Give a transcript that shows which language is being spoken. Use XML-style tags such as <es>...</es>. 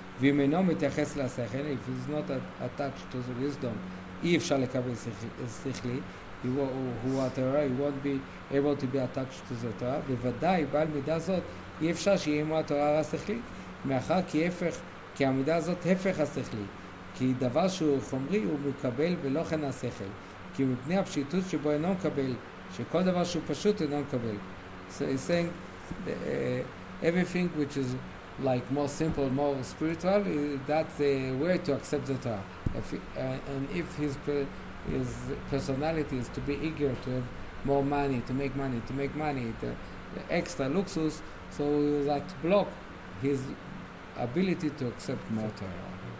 <he>ואם אינו מתייחס לשכל,</he> <en>if he's not attached to the wisdom,</en> <he>אי אפשר לקבל שכלי, הוא התורה,</he> <en>he won't be able to be attached to the Torah.</en> <he>בוודאי, בעל מידה זאת, אי אפשר שיהיה עמו התורה השכלי, מאחר כי הפך, כי המידה הזאת הפך השכלי. כי דבר שהוא חומרי הוא מקבל ולא כן השכל. כי מפני הפשיטות שבו אינו מקבל, שכל דבר שהוא פשוט אינו מקבל.</he> <en>So he's saying, everything which is like more simple, more spiritual, that's the way to accept the Torah. And if his personality is to be eager to have more money, to make money, the extra luxus, so that block his ability to accept more Torah.</en>